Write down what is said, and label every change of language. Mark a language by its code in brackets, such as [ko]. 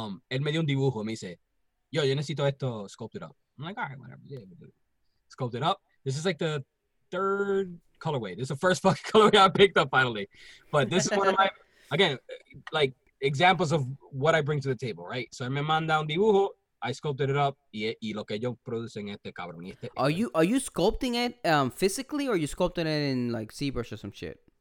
[es] Él me dio un dibujo, me dice, yo necesito esto [en] sculpted up. I'm like, all right, whatever. Yeah, we'll do it. Sculpted up. This is like the third colorway. This is the first fucking colorway I picked up finally. But this is one of my, again, like, examples of what I bring to the table, right? [es] So me manda un dibujo, [en] I sculpted it up, [es] y lo que yo produce en este cabrón. [en] Are you sculpting it physically, or are you sculpting it in like ZBrush or some shit?